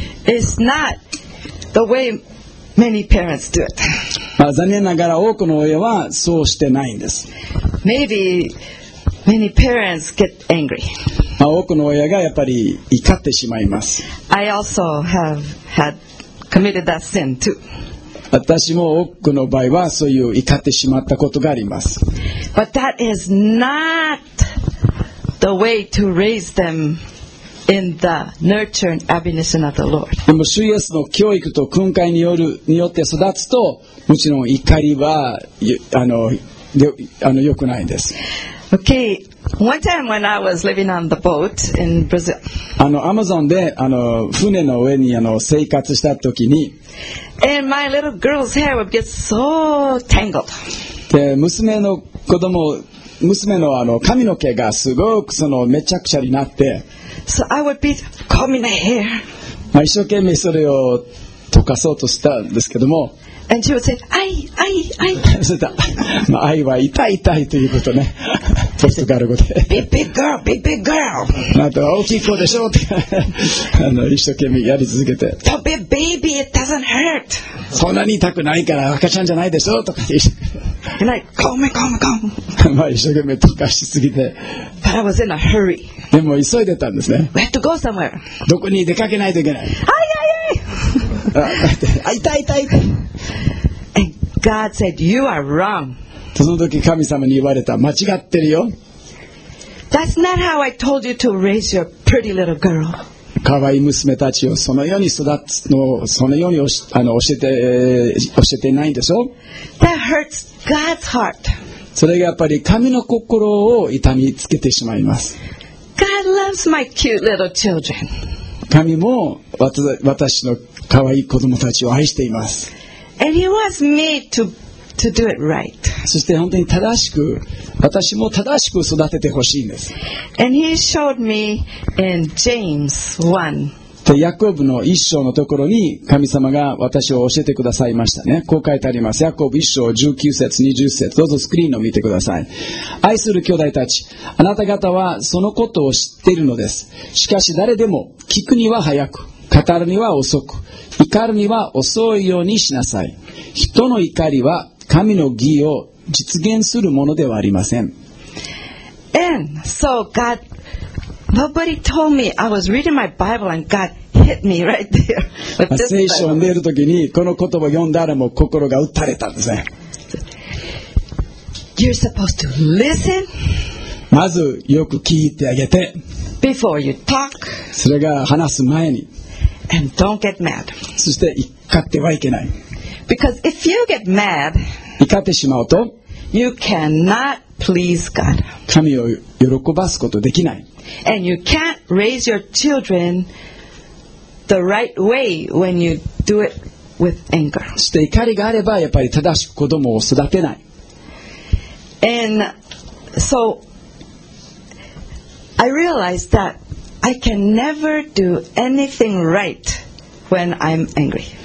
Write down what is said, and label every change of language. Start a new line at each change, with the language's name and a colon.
English: It's not the way many parents do it.
Japanese: 残念ながら多くの親はそうしてないんです。
English: Maybe many parents get angry.
Japanese: 多くの親がやっぱり怒ってしまいます。
English: I also have had committed that sin too.
Japanese: 私も多くの場合はそういう怒ってしまったことがあります。
English: But that is not the way to raise them. In the nurture and admonition of the Lord.
Japanese: でも主イエスの教育と訓戒 によって育つと、もちろん怒りは良くないんです。
English: Okay, one time when I was living on the boat in Brazil.
Japanese: アマゾンで船の上に生活した時に、
English: and my little girl's hair would get so tangled.
Japanese: で娘の子供娘 の, 髪の毛がすごくそのめちゃくちゃになって、
English: so、I would be combing my hair.
Japanese: 一生懸命それを溶かそうとしたんですけども
English: And she would say, ay, ay, ay.
Japanese: それだ、まあ、愛は痛い痛いということねポルトガル語で
English: big, big girl, big, big girl.
Japanese: なんと大きい子でしょって一生懸命やり続けて
English: Don't be a baby, it doesn't hurt.
Japanese: そんなに痛くないから赤ちゃんじゃないでしょとか言って
English: And I call me, call me, call me.
Japanese: まあ一生懸命溶かしすぎて。
English: But I was in a hurry.
Japanese: でも急いでたんですね。
English: We had to go somewhere.
Japanese: どこに出かけないといけない。あいあいあい。あ、痛い痛い。
English: And God said, "You are wrong."
Japanese: その時神様に言われた、間違ってるよ。
English: That's not how I told you to raise your pretty little girl.
Japanese: 可愛い娘たちをそのように育つのをそのように教えてないんでしょ。
English: That hurts. God's heart.
Japanese: それがやっぱり神の心を痛みつけてしまいます。
English: God loves my cute little children.
Japanese: 神も私の可愛い子供たちを愛しています。
English: And he wants me to do it right.
Japanese: そして本当に正しく、私も正しく育ててほしいんです。
English: And he showed me in James 1.
Japanese: でヤコブの一章のところに神様が私を教えてくださいましたね。こう書いてあります。ヤコブ一章19節20節。どうぞスクリーンを見てください。愛する兄弟たち、あなた方はそのことを知っているのです。しかし誰でも聞くには早く、語るには遅く、怒るには遅いようにしなさい。人の怒りは神の義を実現するものではありません。
English: And so God. Nobody told me I was reading my Bible and God hit me right there. But just
Japanese: 聖書を読んでいる時にこの言葉を読んだらもう心が打たれたんですね。
English: You're supposed to listen.
Japanese: まずよく聞いてあげて。
English: Before you talk.
Japanese: それが話す前に。
English: And don't get mad.
Japanese: そして怒ってはいけない。
English: Because if you get mad,
Japanese: 怒ってしまうと、
English: you cannot please God.
Japanese: 神を喜ばすことできない。
English: And you can't raise your children the right way when you do it with anger.
Japanese: そして怒りがあればやっぱり正しく子供を育てない。
English: And so I realized that I can never do anything right when I'm angry.